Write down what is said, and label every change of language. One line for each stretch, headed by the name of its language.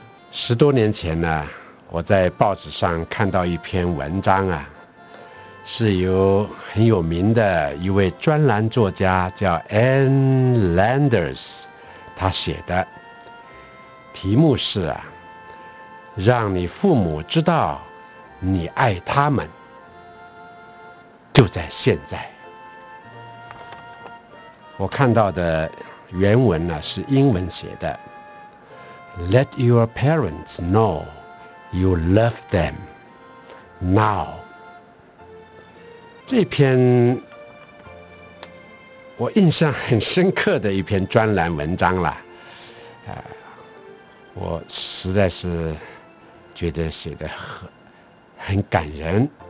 Chinese: 十多年前呢，我在报纸上看到一篇文章啊，是由很有名的一位专栏作家叫 Ann Landers 他写的，题目是啊，让你父母知道你爱他们，就在现在。我看到的原文呢，是英文写的：
English: “Let your parents know you love them now。”
Chinese: 这篇我印象很深刻的一篇专栏文章了，我实在是觉得写得很感人。